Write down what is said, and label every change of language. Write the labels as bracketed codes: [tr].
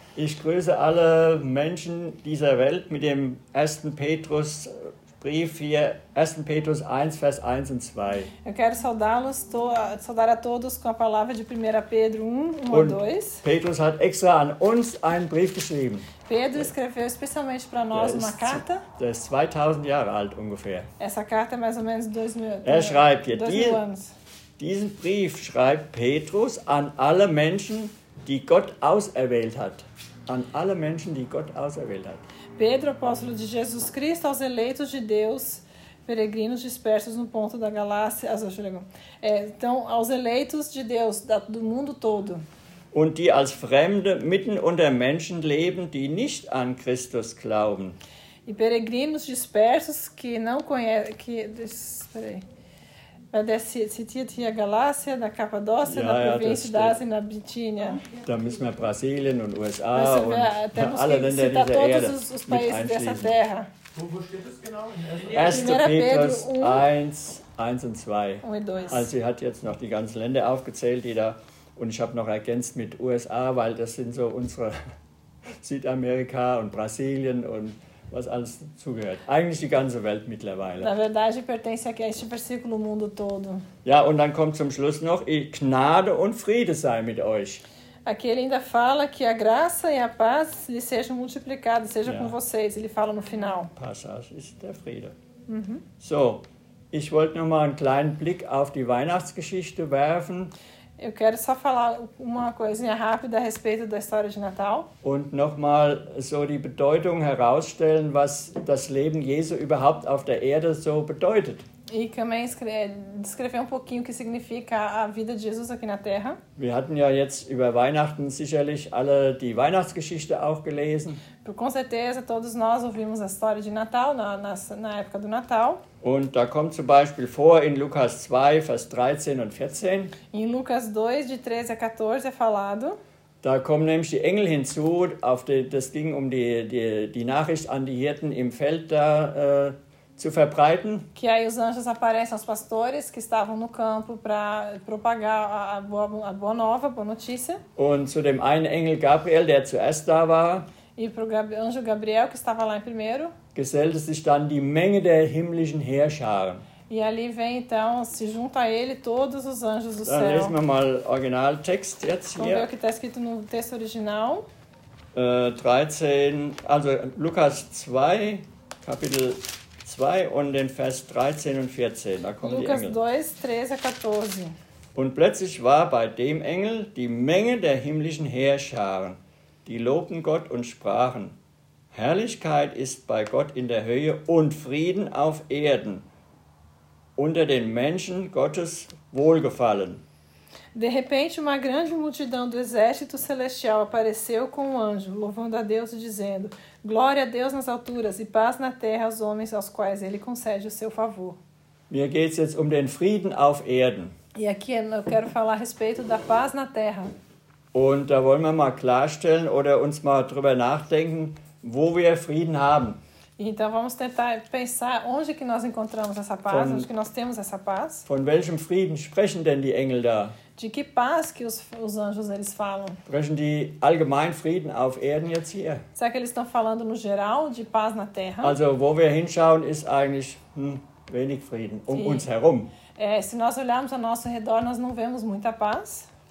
[de] Ich grüße alle Menschen dieser Welt mit dem 1. Petrus Brief hier, 1. Petrus 1, Vers 1 und 2. [pt] Eu quero saudá-los, saudar a todos com a palavra de 1 Pedro 1:2. [de] Petrus hat extra an uns einen Brief geschrieben. [pt] Pedro escreveu especialmente para nós uma carta. [de] Der ist 2000 Jahre alt ungefähr. [pt] Essa carta é mais ou menos 2000 anos. [de] Er schreibt hier, diesen Brief schreibt Petrus an alle Menschen, die Gott auserwählt hat. An alle Menschen, die Gott auserwählt hat. [pt] Pedro, apóstolo de Jesus Cristo, aos eleitos de Deus, peregrinos dispersos no ponto da Galácia. Então, aos eleitos de Deus, do mundo todo. [de] Und die als Fremde mitten unter Menschen leben, die nicht an Christus glauben. [pt] E peregrinos dispersos que não conhecem. [de] Zitiert hier Galatia, da Kappadokia, da Provinz, da Asien, da Bithynien. Da müssen wir Brasilien und USA und alle Länder dieser Erde mit einschließen. Wo steht das genau? 1. Petrus 1, 1 und 2. Also sie hat jetzt noch die ganzen Länder aufgezählt, die da, und ich habe noch ergänzt mit USA, weil das sind so unsere Südamerika und Brasilien und was alles zugehört. Eigentlich die ganze Welt mittlerweile. [pt] Na verdade, pertence aqui a este versículo o mundo todo. [de] Ja, und dann kommt zum Schluss noch, Gnade und Friede sei mit euch. [pt] Aqui ele ainda fala que a graça e a paz lhe sejam multiplicadas, seja com vocês. Ele fala no final. [de] Passage ist der Friede. So, ich wollte noch mal einen kleinen Blick auf die Weihnachtsgeschichte werfen. [pt] Eu quero só falar uma coisinha rápida a respeito da história de Natal. [de] Und nochmal so die Bedeutung herausstellen, was das Leben Jesu überhaupt auf der Erde so bedeutet. [pt] E também descrever pouquinho o que significa a vida de Jesus aqui na Terra. [de] Wir hatten ja jetzt über Weihnachten sicherlich alle die Weihnachtsgeschichte auch gelesen. [pt] Com certeza todos nós ouvimos a história de Natal na época do Natal. [de] Und da kommt zum Beispiel vor in Lukas 2, Vers 13 und 14. [pt] Em Lucas 2, de 13 a 14 é falado. [de] Da kommen nämlich die Engel hinzu, das ging um die Nachricht an die Hirten im Feld da zu verbreiten. [pt] Que aí os anjos aparecem aos pastores que estavam no campo para propagar a boa nova, a boa notícia. [de] Und zu dem einen Engel Gabriel, der zuerst da war. [pt] E pro anjo Gabriel, que estava lá em primeiro. [de] Gesellte sich dann die Menge der himmlischen Heerscharen. [pt] E ali vem então, se junta a ele todos os anjos do [de] dann [pt] céu. [de] Lesen wir mal original text jetzt hier. [pt] Vamos ver o que está escrito no texto original. [de] 13, also Lucas 2, Kapitel 2 und den Vers 13 und 14, da kommen [pt] Lucas Lucas 2, 13 a 14. [de] Und plötzlich war bei dem Engel die Menge der himmlischen Heerscharen, die lobten Gott und sprachen: Herrlichkeit ist bei Gott in der Höhe und Frieden auf Erden, unter den Menschen Gottes Wohlgefallen. [pt] De repente, uma grande multidão do exército celestial apareceu com um anjo, louvando a Deus e dizendo: Glória a Deus nas alturas e paz na terra aos homens aos quais ele concede o seu favor. [de] Mir geht's jetzt den Frieden auf Erden. [pt] E aqui eu quero falar a respeito da paz na terra. [de] Und da wollen wir mal klarstellen oder uns mal drüber nachdenken, wo wir Frieden haben. [pt] Então vamos tentar pensar onde que nós encontramos essa paz, onde que nós temos essa paz. [de] Von welchem Frieden sprechen denn die Engel da? [pt] De que paz que os anjos eles falam? [de] Sprechen die allgemein Frieden auf Erden jetzt hier? [pt] Será que eles estão falando no geral de paz na Terra? [de] Also wo wir hinschauen ist eigentlich wenig Frieden um uns herum. [pt] Se nós olharmos ao nosso redor, nós não vemos muita paz.